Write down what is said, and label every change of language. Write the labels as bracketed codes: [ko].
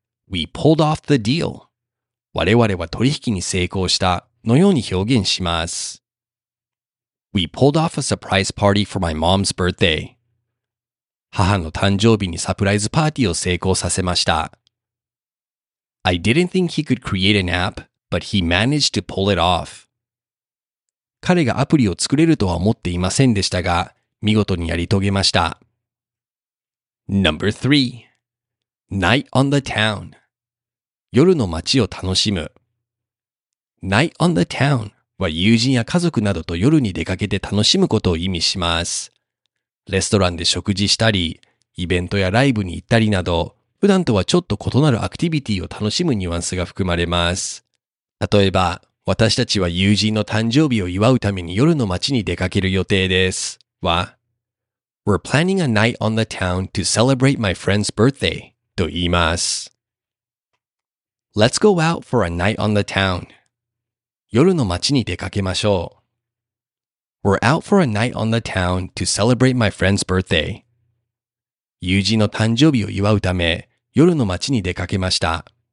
[en] We pulled off the deal. [ja] 我々は取引に成功したのように表現します。 [en] We pulled off a surprise party for my mom's birthday. [ja] 母の誕生日にサプライズパーティーを成功させました。 [en] I didn't think he could create an app, but he managed to pull it off. [ja] 彼がアプリを作れるとは思っていませんでしたが、見事にやり遂げました。 [en] Number 3. Night on the town. [ja] 夜の街を楽しむ。 [en] Night on the town [ja] は友人や家族などと夜に出かけて楽しむことを意味します。レストランで食事したり、イベントやライブに行ったりなど、普段とはちょっと異なるアクティビティを楽しむニュアンスが含まれます。例えば、私たちは友人の誕生日を祝うために夜の街に出かける予定です。は、 [en] We're planning a night on the town to celebrate my friend's birthday, [ja] と言います。 [en] Let's go out for a night on the town. [ja] 夜の街に出かけましょう。 [en] We're out for a night on the town to celebrate my friend's birthday. [ja] 友人の誕生日を祝うため、夜の街に出かけました。